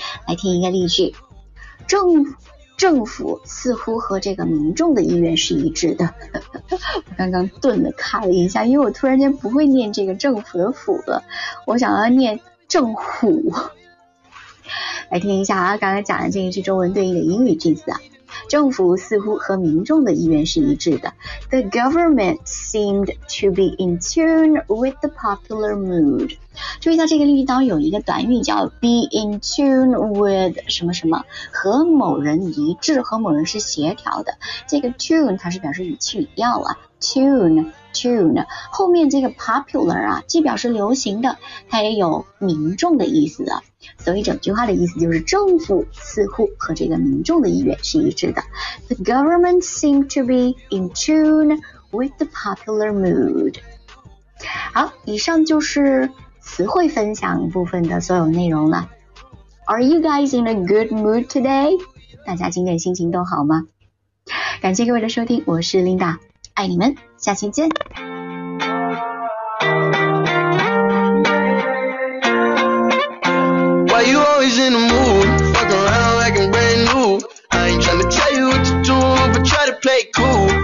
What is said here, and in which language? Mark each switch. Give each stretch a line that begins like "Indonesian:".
Chinese: 来听一个例句，政府似乎和这个民众的意愿是一致的。我刚刚顿了卡了一下，因为我突然间不会念这个政府的府了，我想要念政府。来听一下啊，刚才讲的这一句中文对应的英语句子啊，政府似乎和民众的意愿是一致的。
English: The government seemed to be in tune with the popular mood。
Chinese: 注意一下这个例句当中有一个短语叫
English: be in tune with
Chinese: 什么什么，和某人一致，和某人是协调的。这个 tune 它是表示语气语调啊 ，tune， 后面这个 popular 啊，既表示流行的，它也有民众的意思啊。所以整句话的意思就是政府似乎和这个民众的意愿是一致的。
English: The government seemed to be in tune with the popular mood。
Chinese: 好，以上就是词汇分享部分的所有内容了。
English: Are you guys in a good mood today?
Chinese: 大家今天心情都好吗？感谢各位的收听，我是 Linda， 爱你们，下期见。
English: In the mood, fuck around like I'm brand new. I ain't tryna tell you what to do, but try to play it cool.